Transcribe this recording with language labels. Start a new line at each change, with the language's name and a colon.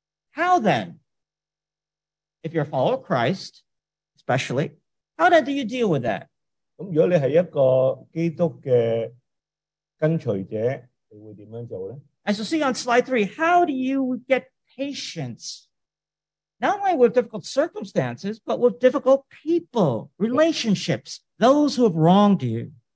English: How then, if you're a follower of Christ, especially, how then do you deal with that?
Chinese: 如果你是一个基督的跟随者,你会怎样做呢?
English: As you see on slide 3, how do you get patience? Not only with difficult circumstances, but with difficult people, relationships, those who have wronged you.